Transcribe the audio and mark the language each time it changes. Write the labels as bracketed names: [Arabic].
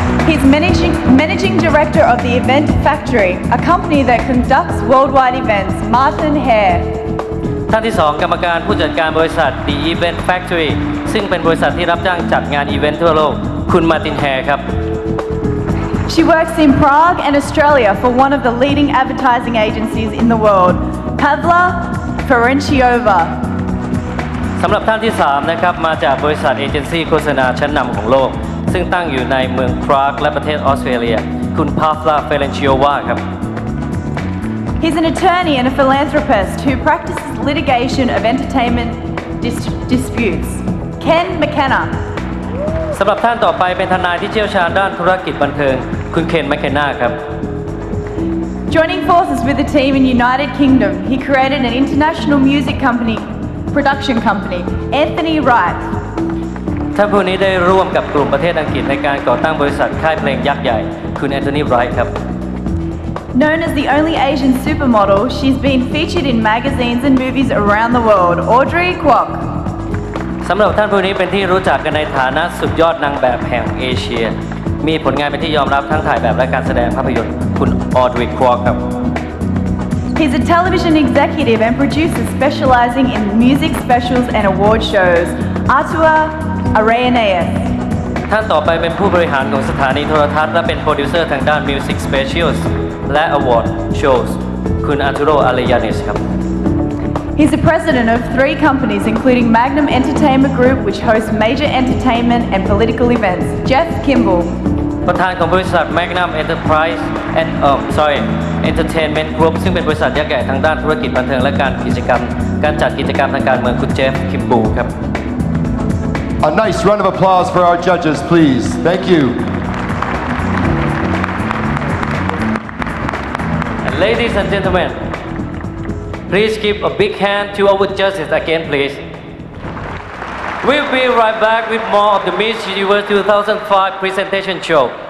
[English] He's managing director of the Event Factory, a company that conducts worldwide events. Martin Hare. [Thai] ท่านที่สองกรรมการผู้จัดการบริษัท The Event Factory ซึ่งเป็นบริษัทที่รับจ้างจัดงานอีเวนต์ทั่วโลกคุณมาร์ตินแฮร์ครับ [English] She works in Prague and Australia for one of the leading advertising agencies in the world Pavla Ferenciova [Thai] สำหรับท่านที่สามนะครับมาจากบริษัทเอเจนซี่โฆษณาชั้นนำของโลกซึ่งตั้งอยู่ในเมืองปรากและประเทศออสเตรเลียคุณ Pavla Ferenciova ครับ [English] He's an attorney and a philanthropist who practices litigation of entertainment disputes. Ken McKenna. [Thai] สำหรับท่านต่อไปเป็นทนายที่เชี่ยวชาญด้านธุรกิจบันเทิงคุณเคน แมคเคนนาครับ [English] Joining forces with a team in United Kingdom, he created an international music company, production company, Anthony Wright. [Thai] ท่านผู้นี้ได้ร่วมกับกลุ่มประเทศอังกฤษในการก่อตั้งบริษัทค่ายเพลงยักษ์ใหญ่คุณแอนโทนีไรท์ครับ [English] Known as the only Asian supermodel, she's been featured in magazines and movies around the world. Audrey Kwok. [Thai] สำหรับท่านผู้นี้เป็นที่รู้จักกันในฐานะสุดยอดนางแบบแห่งเอเชียมีผลงานเป็นที่ยอมรับทั้งถ่ายแบบและการแสดงภาพยนตร์คุณ Audrey Kwok ครับ [English] He's a television executive and producer specializing in music specials and award shows. Atua Arayaneyan. [Thai] ท่านต่อไปเป็นผู้บริหารของสถานีโทรทัศน์และเป็นโปรดิวเซอร์ทางด้าน Music Specials และ Award Shows คุณอาทูโรอารียานิสครับ [English] He's the president of three companies including Magnum Entertainment Group which hosts major entertainment and political events Jeff Kimball [Thai] ประธานของบริษัท Magnum Enterprise and Entertainment Group ซึ่งเป็นบริษัทยักษ์ใหญ่ทางด้านธุรกิจบันเทิงและการกิจกรรมการจัดกิจกรรมทางการเมืองคุณเจฟคิมบูลครับ [English] A nice round of applause for our judges, please. Thank you. And ladies and gentlemen, please give a big hand to our judges again, please. We'll be right back with more of the Miss Universe 2005 presentation show.